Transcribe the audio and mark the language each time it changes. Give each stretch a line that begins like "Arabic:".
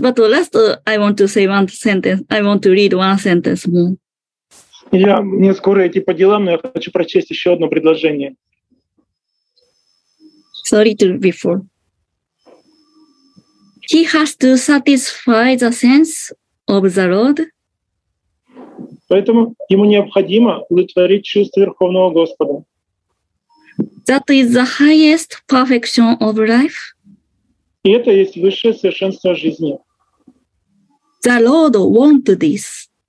English: But last, I want to say one sentence. I want to read one sentence more.
Russian: Я не скоро идти по делам, но я хочу прочесть еще одно предложение.
English: Sorry to before. He has to satisfy the sense of the Lord.
Russian: Поэтому ему необходимо удовлетворить чувство Верховного Господа.
English: That is the highest perfection of life.
Russian: И это есть высшее совершенство жизни.
English: The Lord wants this.